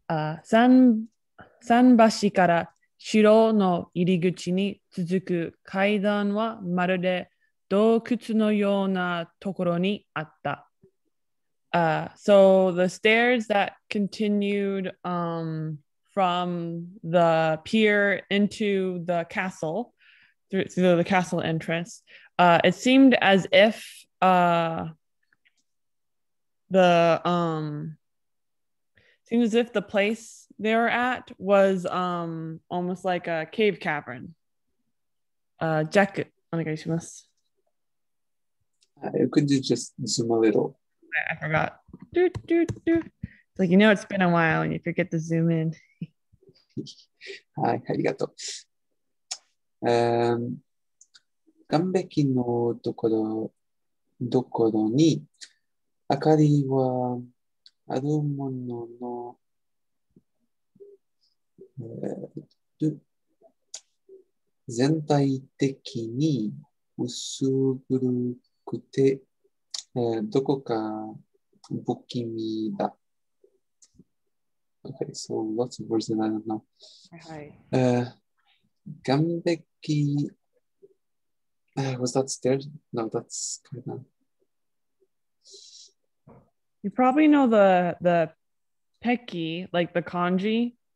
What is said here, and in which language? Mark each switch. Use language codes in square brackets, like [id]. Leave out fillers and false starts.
[ja] 桟橋から城の入り口に続く階段はまるで洞窟のようなところにあった。 [en] So the stairs that continued from the pier into the castle, through the castle entrance, it seemed as if the place they were at was almost like a cave cavern. [ja] Jack, お願いします。 [en] You could just zoom a little. I forgot. It's like, you know, it's been a while and you forget to zoom in. [ja] はい、ありがとう。岩壁のところどころに明かりはあるものの、全体的に薄暗くて、どこか不気味だ。 [en] Okay, so lots of words that I don't know. Gambeki. Was that stairs? No, that's kind of. You probably know the peki, like the kanji.